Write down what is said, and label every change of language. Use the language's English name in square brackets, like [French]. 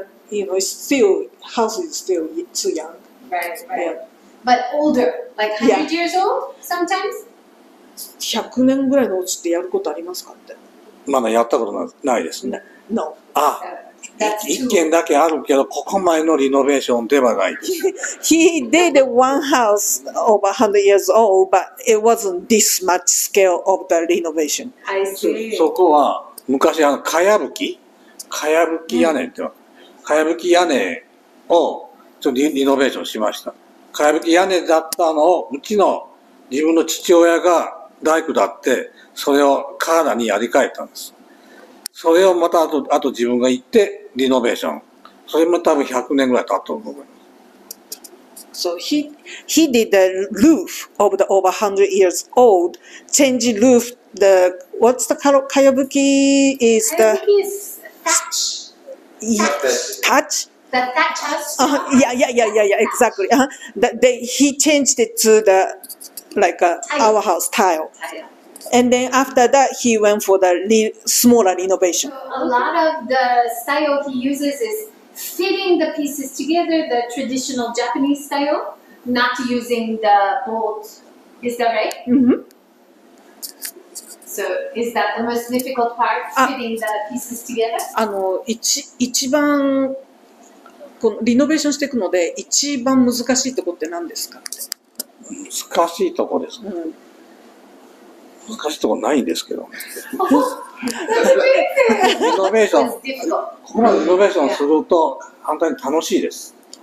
[English] You know, still house is still too young. Right, right. Yeah. But older, like 100 years old sometimes. [Japanese] 100年ぐらいのうちってやることありますかって。まだやったことないですね。 [English] No. Ah. [Japanese] 一軒だけあるけど、ここ前のリノベーションではないです。 [English] He did one house over 100 years old, but it wasn't this much scale of the renovation. I see. [Japanese] そこは、昔、かやぶき屋根って、かやぶき屋根をちょっとリノベーションしました。かやぶき屋根だったのを、うちの自分の父親が大工だって、それをカーナにやり替えたんです。それをまたあと自分が行ってリノベーション。それも多分100年ぐらい経ったと思います。 [English] So he did the roof of the over 100 years old, change roof, the, what's the color? Kayabuki is the... Thatch? The thatch house? Yeah, exactly. He changed it to the, like, our house tile. And then after that, he went for the smaller renovation. A lot of the style he uses is fitting the pieces together, the traditional Japanese style, not using the bolt. Is that right? Mm-hmm. So is that the most difficult part, fitting the pieces together? [Japanese] 一番このリノベーションしていくので、一番難しいところって何ですか？難しいところですね。うん、難しいところないんですけど。リノベーション、ここまでリノベーションすると反対に楽しいです。